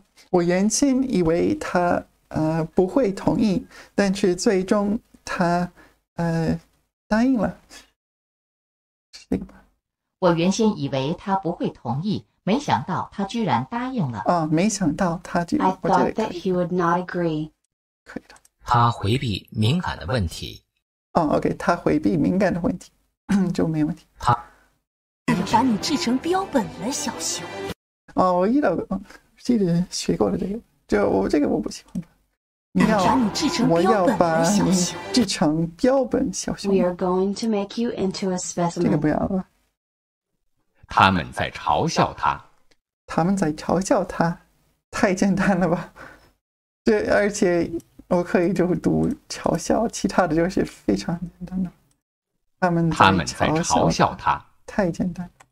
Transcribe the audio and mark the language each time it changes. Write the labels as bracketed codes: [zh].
[zh] 我原先以为他不会同意，但是最终他答应了。我原先以为他不会同意，没想到他居然答应了。没想到他居 [en] 然。I thought that he would not agree. [zh] 可以的。他回避敏感的问题。 OK, 他回避敏感的问题就没问题。他把你制成标本了，小熊。我遇到过。记得学过了这个，就我这个我不喜欢。我要把你制成标本，小熊。 [en] We are going to make you into a specimen. [zh] 这个不要了。他们在嘲笑他。他们在嘲笑他，太简单了吧？这而且我可以就读嘲笑，其他的就是非常简单的。他们在嘲笑他，太简单。